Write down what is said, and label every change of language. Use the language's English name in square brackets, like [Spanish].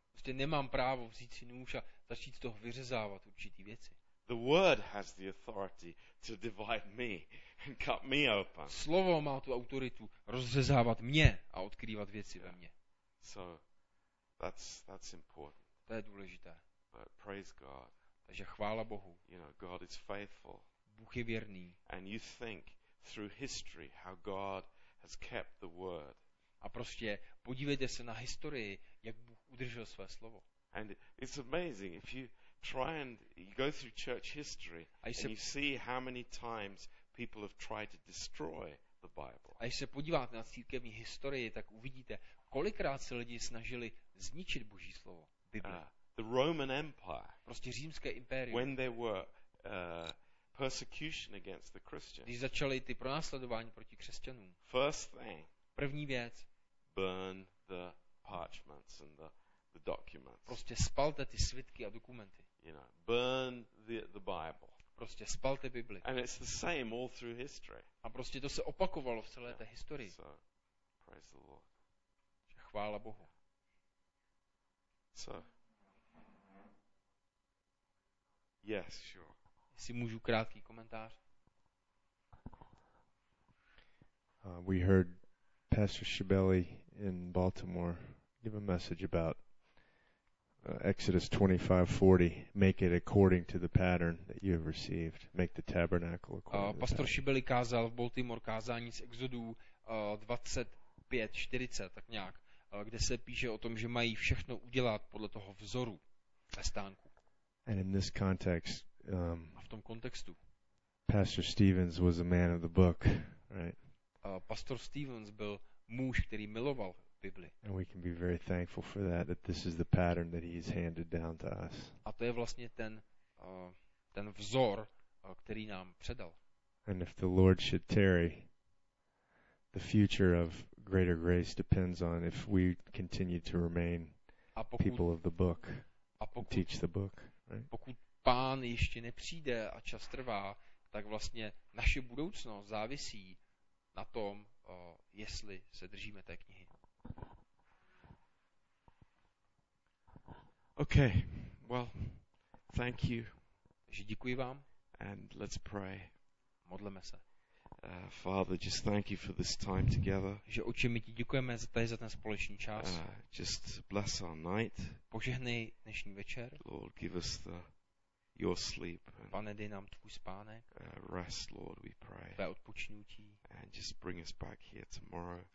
[Czech] Prostě nemám právo vzít si nůž a začít z toho vyřezávat určitý věci. [English] The word has the authority to divide me and cut me open. [Czech] Slovo má tu autoritu rozřezávat mě a odkrývat věci ve mně. [English] So that's important. [Czech] To je důležité. [English] But praise God. [Czech] Takže chvála Bohu. [English] You know, God is faithful. [Czech] Bůh je věrný. [English] And you think through history how God has kept the word. [Czech] A prostě podívejte se na historii, jak Bůh udržel své slovo. [English] And it's amazing if you try and you go through church history and you see how many times people have tried to destroy the Bible. [Czech] A když se podíváte na církevní historii, tak uvidíte, kolikrát se lidi snažili zničit Boží slovo, Bibli. [English] The Roman Empire. [Czech] Prostě římské impérium. [English] When there were persecution against the Christians. [Czech] Když začaly ty pronásledování proti křesťanům. [English] First thing. [Czech] První věc. [English] Burn the parchments and the documents. [Czech] Prostě spalte ty svitky a dokumenty. [English] You know, burn the Bible. [Czech] Prostě spalte Bibli. [English] And it's the same all through history. [Czech] A prostě to se opakovalo v celé té historii. [English] So, praise the Lord. [Czech] Chvála Bohu. [English] So. Yes, sure. [Czech] Jestli můžu krátký komentář. [English] We heard Pastor Shibeli in Baltimore give a message about Exodus 25:40, make it according to the pattern that you have received. Make the tabernacle according to the pattern. [Czech] Pastor Shibeli kázal v Baltimore kázání z Exodu 25:40, tak nějak, kde se píše o tom, že mají všechno udělat podle toho vzoru ve stánku. [English] And in this context, [Czech] a v tom kontextu, [English] Pastor Stevens was a man of the book, right? [Czech] Pastor Stevens byl muž, který miloval Bibli. [English] And we can be very thankful for that this is the pattern that he's handed down to us. [Czech] A to je vlastně ten ten vzor, který nám předal. [English] And if the Lord should tarry, the future of greater grace depends on if we continue to remain people of the book, [Czech] pokud, [English] teach the book. Right? [Czech] Pokud Pán ještě nepřijde a čas trvá, tak vlastně naše budoucnost závisí na tom, jestli se držíme té knihy. [English] Okay, well, thank you. [Czech] Takže děkuji vám. [English] And let's pray. [Czech] Modleme se. [English] Father, just thank you for this time together. [Czech] Že Otče, my ti děkujeme za ten společný čas. [English] Just bless our night. [Czech] Požehnej dnešní večer. [English] Lord, give us the your sleep. [Czech] Pane, dej nám tvůj spánek. [English] Rest, Lord, we pray. [Czech] Tvé odpočinutí. [English] And just bring us back here tomorrow.